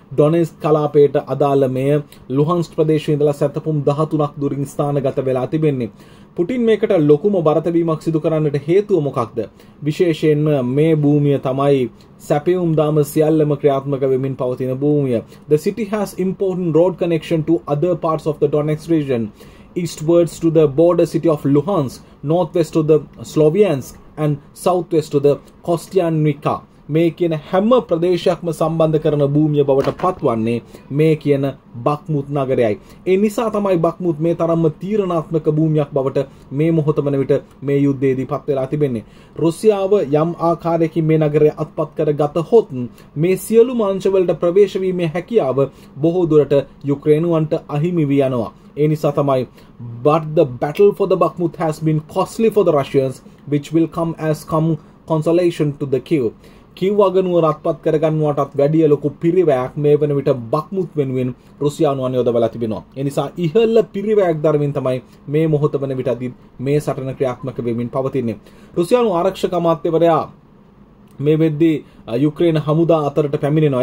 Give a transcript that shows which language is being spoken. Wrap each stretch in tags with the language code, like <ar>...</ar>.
<si>ඩොනෙස් කලාපයට අදාළ මේ ලුහන්ස් ප්‍රදේශයේ ඉඳලා සැතපුම් 13ක් දුරින් ස්ථානගත වෙලා තිබෙන්නේ. පුටින් මේකට ලොකුම බරතැබීමක් සිදු කරන්නට හේතුව මොකක්ද? විශේෂයෙන්ම මේ භූමිය තමයි සැපයුම් දාම සියල්ලම ක්‍රියාත්මක වෙමින් පවතින භූමිය.</si> <en>The city has important road connection to other parts of the Donetsk region, eastwards to the border city of Luhansk, northwest to the Slovyansk, and southwest to the Kostyantynivka.</en> <si>මේ කියන හැම ප්‍රදේශයක්ම සම්බන්ධ කරන භූමිය බවට පත්වන්නේ මේ කියන බක්මුත් නගරයයි. ඒ නිසා තමයි බක්මුත් මේ තරම්ම තීරණාත්මක භූමියක් බවට මේ මොහොත වන විට මේ යුද්ධයේදී පත් වෙලා තිබෙන්නේ. රුසියාව යම් ආකාරයකින් මේ නගරය අත්පත් කර ගත හොත් මේ සියලු මංචවලට ප්‍රවේශ වීමේ හැකියාව බොහෝ දුරට යුක්‍රේනුවන්ට අහිමි වී යනවා. ඒ නිසා තමයි</si> <en>but the battle for the Bakhmut has been costly for the Russians, which will come as some consolation to the Kyiv.</en> <si>කිව් අගනුව රත්පත් කරගන්නවටත් වැඩිය ලොකු පිරිවැයක් මේ වන විට බක්මුත් වෙනුවෙන් රුසියානුවන් යොදවලා තිබෙනවා. ඒ නිසා ඉහළ පිරිවැයක් දරමින් තමයි මේ මොහොත වන විටදී මේ සටන ක්‍රියාත්මක වෙමින් පවතින්නේ. රුසියානු ආරක්ෂක අමාත්‍යවරයා මේ වෙද්දී යුක්‍රේන හමුදා අතරට පැමිණෙනවා.</si>